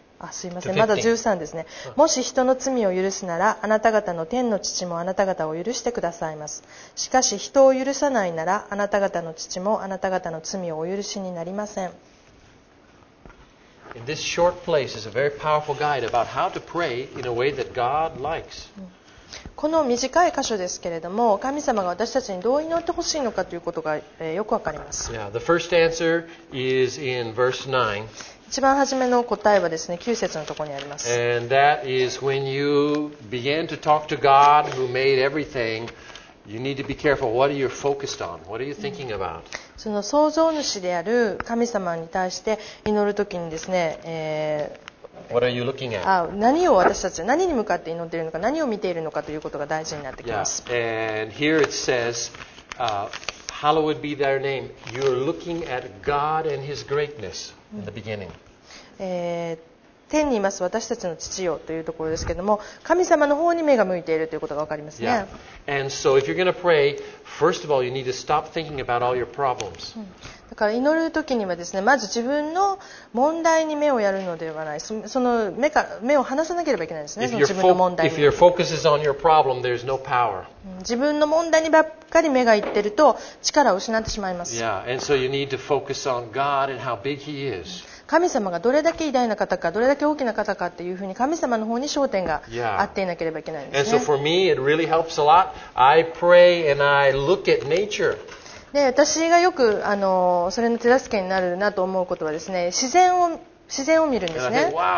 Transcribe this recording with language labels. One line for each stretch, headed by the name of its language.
Japanese: すいません、まだ13ですね。もし人の罪を許すなら、あなた方の天の父もあなた方を許してくださいます。しかし人を許さないなら、あなた方の父もあなた方の罪をお許しになりません。
English: In this short place is a very powerful guide about how to pray in a way that God likes.
Japanese: この短い箇所ですけれども、神様が私たちにどう祈ってほしいのかということが、よくわかります。
English: yeah, the first answer is in verse 9.
Japanese: 一番初めの答えはですね、9節のところにあります。
English: And that is when you begin to talk to God who made everything, you need to be careful. What are you focused on? What are you thinking about?
Japanese: その創造主である神様に対して祈るときにですね、
English: What are you looking at?
Japanese: 何を私たち何に向かって祈っているのか、何を見ているのかということが大事になってきます。
English: Yeah. And here it says, Hallowed be their name. You're looking at God and His greatness in the beginning.
Japanese: 天にいます私たちの父よというところですけれども、神様の方に目が向いているということがわかりますね。
English: Yeah. And so if you're going to pray, first of all, you need to stop thinking about all your problems.
Japanese: だから祈るときにはですね、まず自分の問題に目をやるのではない、その目を離さなければいけないですね、その自分の問題に。
English: If your focus is on your problem, there's no power.
Japanese: 自分の問題にばっかり目がいってると力を失ってしまいます。
English: Yeah, and so you need to focus on God and how big He is.
Japanese: 神様がどれだけ偉大な方か、どれだけ大きな方かっていうふうに神様の方に焦点が合っていなければいけないんですね。
English: And so for me, it really helps a lot. I pray and I look at nature.
Japanese: で、私がよくそれの手助けになるなと思うことはですね、自然を見るんですね。